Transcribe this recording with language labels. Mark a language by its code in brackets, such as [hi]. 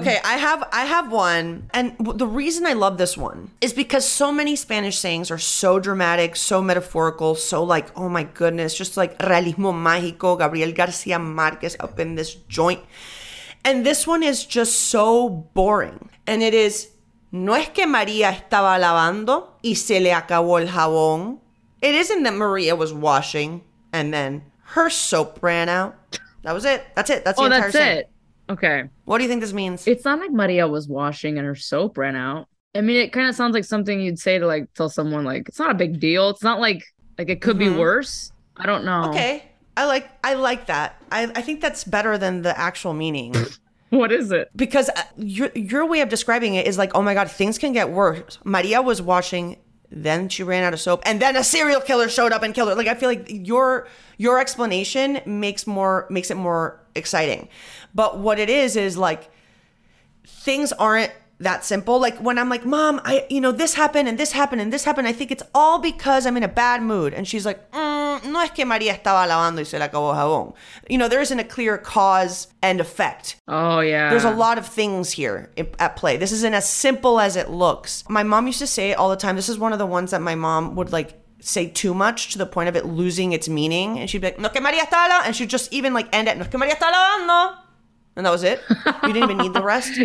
[en] Okay, I have one. And the reason I love this one is because so many Spanish sayings are so dramatic, so metaphorical, so like, oh my goodness, just like Realismo Mágico, Gabriel García Márquez up in this joint. And this one is just so boring. And it is, [es] no es que María estaba lavando y se le acabó el jabón. [en] It isn't that Maria was washing and then her soap ran out. That was it. That's it. That's the entire thing. Oh, that's it. Okay. What do you think this means? It's not like Maria was washing and her soap ran out. I mean, it kind of sounds like something you'd say to like tell someone like, it's not a big deal. It's not like it could be worse. I don't know. Okay. I like that. I think that's better than the actual meaning. What is it? Because your way of describing it is like, oh my God, things can get worse. Maria was washing, then she ran out of soap, and then a serial killer showed up and killed her. Like, I feel like your explanation makes it more exciting. But what it is like, things aren't that simple. Like when I'm like, Mom, I, you know, this happened and this happened and this happened, I think it's all because I'm in a bad mood. And she's like, [es] no es que María estaba lavando y se le acabó jabón. [en] You know, there isn't a clear cause and effect. Oh, yeah. There's a lot of things here at play. This isn't as simple as it looks. My mom used to say it all the time. This is one of the ones that my mom would like say too much to the point of it losing its meaning. And she'd be like, [es] no que María estaba lavando. [en] And she'd just even like end it, no que María estaba lavando. And that was it. You didn't even need the rest.